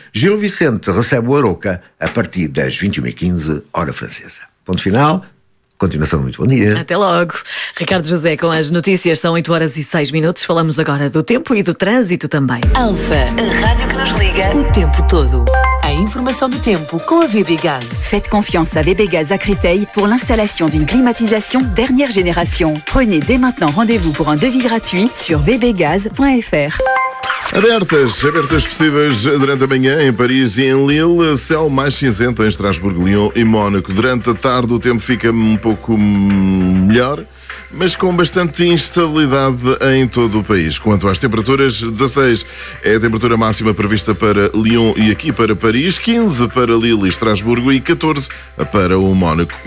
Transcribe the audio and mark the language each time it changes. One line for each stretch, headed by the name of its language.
Portuguese: Gil Vicente recebe o Arouca a partir das 21h15, hora francesa. Ponto final. Continuação, muito bom dia. Até logo. Ricardo José, com as notícias, são 8 horas e 6 minutos. Falamos agora do tempo e do trânsito também. Alfa, a rádio que nos liga o tempo todo. A informação do tempo com a VB Gaz.
French: Faites confiance à VB Gaz à Créteil pour l'installation d'une climatisation dernière génération. Prenez dès maintenant rendez-vous pour un devis gratuit sur vbgaz.fr.
Portuguese: Abertas possíveis durante a manhã em Paris e em Lille, céu mais cinzento em Estrasburgo, Lyon e Mónaco. Durante a tarde o tempo fica um pouco melhor, mas com bastante instabilidade em todo o país. Quanto às temperaturas, 16 é a temperatura máxima prevista para Lyon e aqui para Paris, 15 para Lille e Estrasburgo e 14 para o Mónaco.